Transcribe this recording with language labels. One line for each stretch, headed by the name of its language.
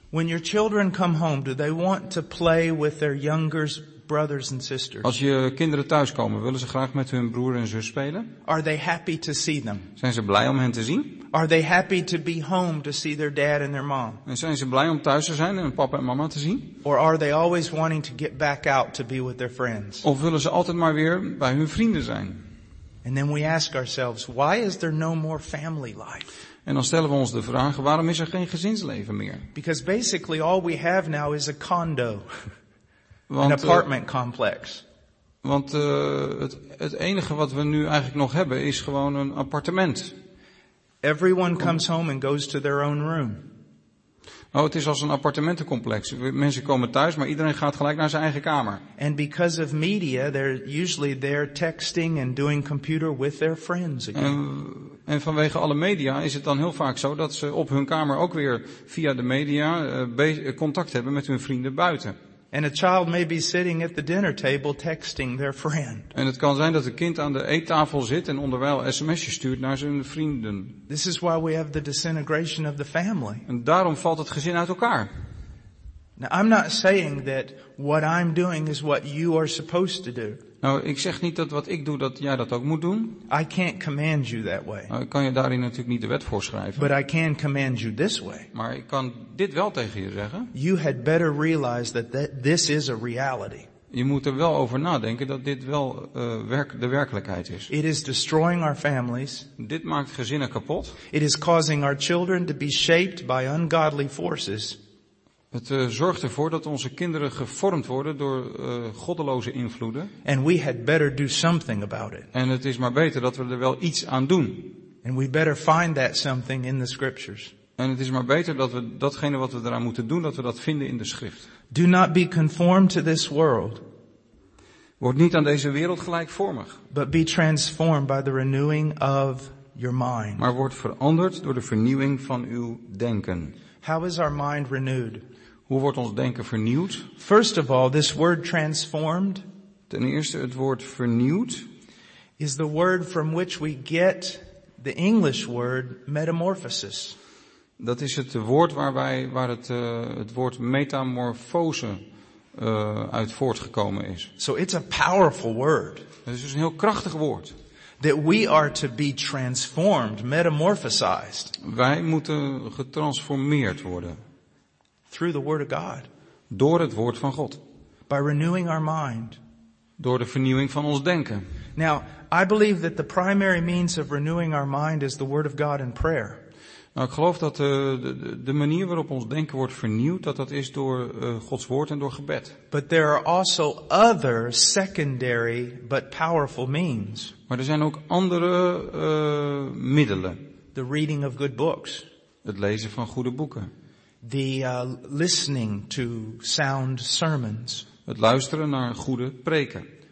English: When your children come home, do they want to play with their younger brothers and sisters?
Dutch: Als je kinderen thuis komen, willen ze graag met hun broer en zus spelen?
English: Are they happy to see them?
Dutch: Zijn ze blij om hen te zien?
English: Are they happy to be home to see their dad and their mom?
Dutch: En zijn ze blij om thuis te zijn en hun papa en mama te zien?
English: Or are they always wanting to get back out to be with their friends?
Dutch: Of willen ze altijd maar weer bij hun vrienden zijn?
English: And then we ask ourselves, why is there no more family life?
Dutch: En dan stellen we ons de vraag, waarom is er geen gezinsleven meer?
English: Because basically all we have now is a condo.
Dutch: Want,
English: an apartment complex.
Dutch: Want het enige wat we nu eigenlijk nog hebben is gewoon een appartement.
English: Everyone comes home and goes to their own room.
Dutch: Oh, het is als een appartementencomplex. Mensen komen thuis, maar iedereen gaat gelijk naar zijn eigen kamer.
English: And because of media, they're usually there texting and doing computer with their friends again.
Dutch: En vanwege alle media is het dan heel vaak zo dat ze op hun kamer ook weer via de media contact hebben met hun vrienden buiten.
English: And a child may be sitting at the dinner table texting their friend.
Dutch: En het kan zijn dat een kind aan de eettafel zit en onderwijl sms'jes stuurt naar zijn vrienden.
English: This is why we have the disintegration of the family.
Dutch: En daarom valt het gezin uit elkaar.
English: Now I'm not saying that what I'm doing is what you are supposed to do.
Dutch: Nou, ik zeg niet dat wat ik doe dat jij dat ook moet doen.
English: I can't command you that way.
Dutch: Nou, ik kan je daarin natuurlijk niet de wet voorschrijven.
English: But I can command you this way.
Dutch: Maar ik kan dit wel tegen je zeggen.
English: You had better realize that this is a reality.
Dutch: Je moet er wel over nadenken dat dit wel de werkelijkheid is.
English: It is destroying our families.
Dutch: Dit maakt gezinnen kapot.
English: It is causing our children to be shaped by ungodly forces.
Dutch: Het zorgt ervoor dat onze kinderen gevormd worden door goddeloze invloeden.
English: And we had better do something about it.
Dutch: En het is maar beter dat we er wel iets aan doen.
English: And we better find that something in the scriptures.
Dutch: En het is maar beter dat we datgene wat we eraan moeten doen, dat we dat vinden in de schrift.
English: Do not be conformed to this world.
Dutch: Word niet aan deze wereld gelijkvormig.
English: But be transformed by the renewing of your mind.
Dutch: Maar word veranderd door de vernieuwing van uw denken.
English: How is our mind renewed?
Dutch: Hoe wordt ons denken vernieuwd?
English: First of all, this word transformed.
Dutch: Ten eerste, het woord vernieuwd.
English: Is the word from which we get the English word metamorphosis.
Dutch: Dat is het woord waar het woord metamorfose uit voortgekomen is.
English: So it's a powerful word.
Dutch: Het is dus een heel krachtig woord.
English: That we are to be transformed, metamorphosized.
Dutch: Wij moeten getransformeerd worden.
English: Through the word of God.
Dutch: Door het woord van God.
English: By renewing our mind.
Dutch: Door de vernieuwing van ons denken.
English: Now, I believe that the primary means of renewing our mind is the word of God in prayer.
Dutch: Nou, ik geloof dat de manier waarop ons denken wordt vernieuwd, dat is door Gods woord en door gebed.
English: But there are also other secondary but powerful means.
Dutch: Maar er zijn ook andere middelen.
English: The reading of good books.
Dutch: Het lezen van goede boeken.
English: The listening to sound sermons.
Dutch: Het luisteren naar goede preken.